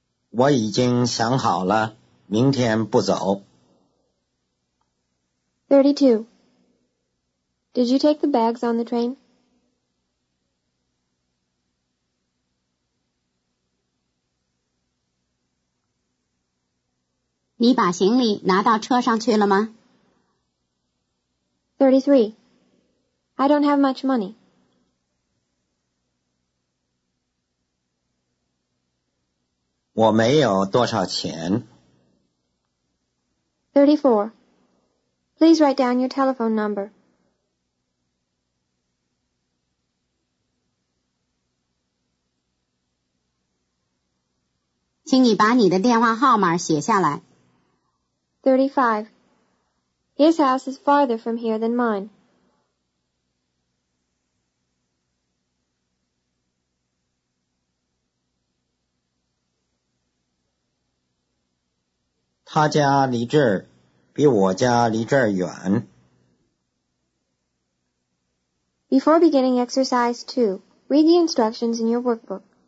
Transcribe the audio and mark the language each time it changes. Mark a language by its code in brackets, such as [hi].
[zh] 我已经想好了，明天不走。 32. [en] Did you take the bags on the train? [zh] 你把行李拿到车上去了吗？ [en] 33. I don't have much money. [zh] 我没有多少钱。 34. [en] Please write down your telephone number. [zh] 请你把你的电话号码写下来。 35. [en] His house is farther from here than mine. [zh] 他家离这儿比我家离这儿远。 [en] Before beginning exercise 2, read the instructions in your workbook.